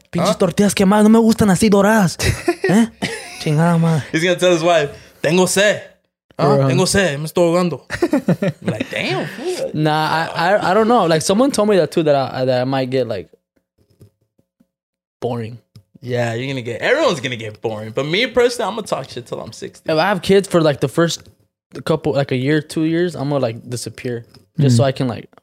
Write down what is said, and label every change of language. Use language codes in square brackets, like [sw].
[es] Pinches tortillas que mal, no me gustan así doradas. Chingada madre. [en] He's gonna tell his wife, [es] tengo sed. Tengo sed, me estoy ahogando. [en] Like, damn. Nah, I don't know. Like, someone told me that too, that I might get like boring. Yeah, you're going to get... Everyone's going to get boring. But me, personally, I'm going to talk shit till I'm 60. If I have kids for, like, the first couple... Like, a year, 2 years, I'm going to, like, disappear. Just so I can, like,